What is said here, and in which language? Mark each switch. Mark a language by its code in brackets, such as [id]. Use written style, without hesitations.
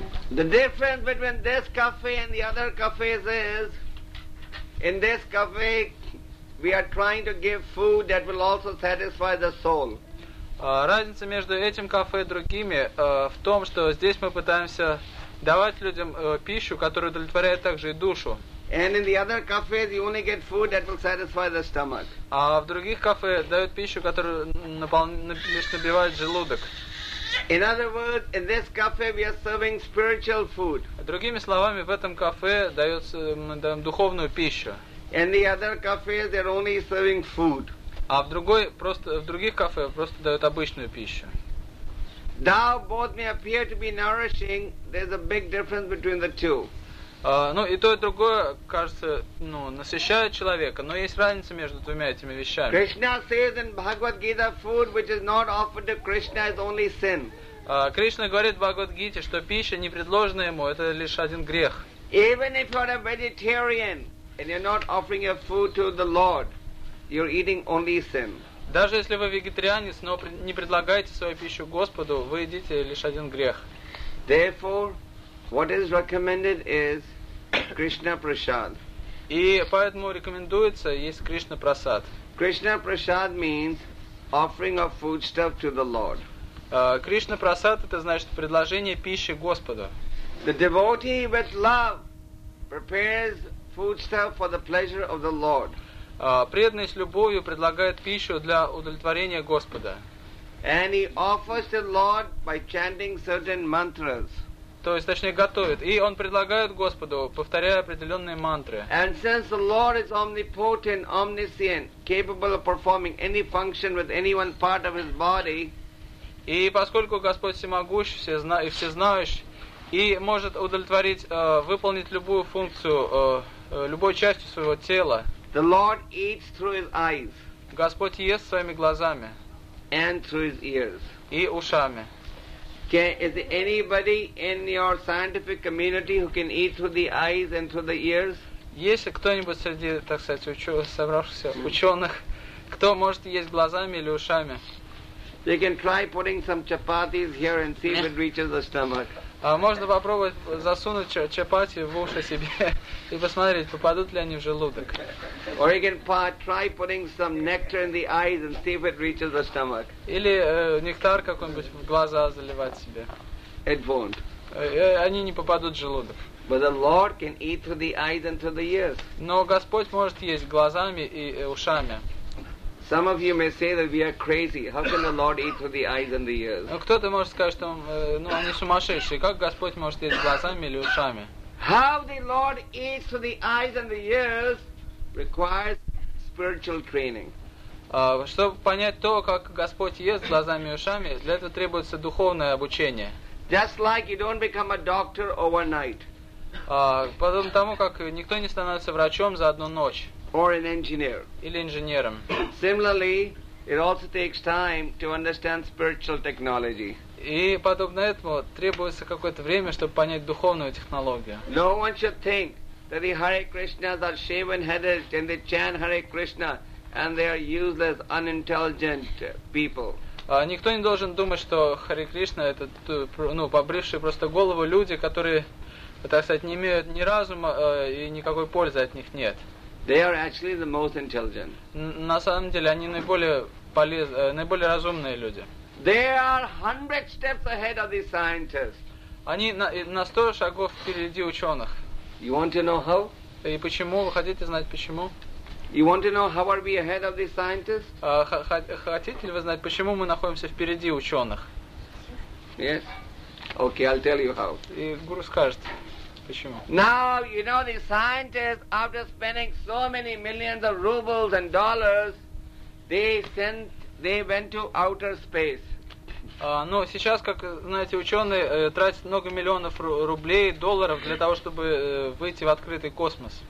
[en] The difference between this cafe and the other cafes is, in this cafe, we are trying to give food that will also satisfy the soul. [ru] Разница между этим кафе и другими в том, что здесь мы пытаемся давать людям пищу, которая удовлетворяет также и душу. [en] And in the other cafes you only get food that will satisfy the stomach. [ru] А в других кафе дают пищу, которая лишь набивает желудок. [en] In other words, in this cafe we are serving spiritual food. [ru] Другими словами, в этом кафе мы даем духовную пищу. [en] In the other cafes they're only serving food. [ru] А в других кафе просто дают обычную пищу. [en] Now both may appear to be nourishing. There's a big difference between the two. [ru] Ну и то и другое кажется, ну, насыщает человека, но есть разница между двумя этими вещами. [en] Krishna says in Bhagavad Gita, food which is not offered to Krishna is only sin. [ru] Кришна говорит в Бхагавад Гите, что пища, не предложенная ему, это лишь один грех. [en] Even if you're a vegetarian and you're not offering your food to the Lord, you're eating only sin. [ru] Даже если вы вегетарианец, но не предлагаете свою пищу Господу, вы едите лишь один грех. [en] Therefore, what is recommended is Krishna Prasad. [ru] И поэтому рекомендуется есть Кришна Прасад. [en] Krishna Prasad means offering of foodstuff to the Lord. [ru] Кришна Прасад — это значит предложение пищи Господу. [en] The devotee with love prepares foodstuff for the pleasure of the Lord. [ru] Преданный с любовью предлагает пищу для удовлетворения Господа. [en] And he offers the Lord by chanting certain mantras. [ru] То есть, точнее, готовит. И он предлагает Господу, повторяя определенные мантры. [en] And since the Lord is omnipotent, omniscient, capable of performing any function with any one part of his body, [ru] и поскольку Господь всемогущ, и всезнающ, и может удовлетворить, выполнить любую функцию, любой частью своего тела, [en] the Lord eats through his eyes. [ru] Господь ест своими глазами. [en] And through his ears. [ru] И ушами. [en] Okay, is there anybody in your scientific community who can eat through the eyes and through the ears? [ru] Есть ли кто-нибудь среди, так сказать, собравшихся ученых, кто может есть глазами или ушами? [en] You can try putting some chapatis here and see if it reaches the stomach. [ru] Можно попробовать засунуть чапати в уши себе и посмотреть, попадут ли они в желудок. [en] Or you can try putting some nectar in the eyes and see if it reaches the stomach. [ru] Или нектар какой-нибудь в глаза заливать себе. [en] It won't. [ru] Они не попадут в желудок. [en] But the Lord can eat through the eyes and through the ears. [ru] Но Господь может есть глазами и ушами. [en] Some of you may say that we are crazy. How can the Lord eat through the eyes and the ears? [ru] Кто-то может сказать, что они сумасшедшие. Как Господь может есть глазами или ушами? [en] How the Lord eats through the eyes and the ears requires spiritual training. [ru] Чтобы понять то, как Господь ест глазами и ушами, для этого требуется духовное обучение. [en] Just like you don't become a doctor overnight. [ru] Подобно тому, как никто не становится врачом за одну ночь. [en] Or an engineer. [ru] Или инженером. [en] Similarly, it also takes time to understand spiritual technology. [ru] И подобно этому требуется какое-то время, чтобы понять духовную технологию. [en] No one should think that the Hare Krishnas are shaven-headed and they chant Hare Krishna and they are useless, unintelligent people. [ru] Никто не должен думать, что Харе Кришна это побрившие просто голову люди, которые, так сказать, не имеют ни разума и никакой пользы от них нет. [en] They are actually the most intelligent. [ru] На самом деле, они наиболее разумные люди. [en] They are 100 steps ahead of the scientists. [ru] Они на 100 шагов впереди ученых. [en] You want to know how? [ru] И почему? Вы хотите знать почему? [en] You want to know how are we ahead of the scientists? [ru] Хотите ли вы знать, почему мы находимся впереди ученых? [en] Yes. Okay, I'll tell you how. [ru] И гуру скажет. Почему? [en] Now you know the scientists, after spending so many millions of rubles and dollars, they went to outer space. [ru] Сейчас, как знаете, ученые тратят много миллионов рублей, долларов для того, чтобы выйти в открытый космос.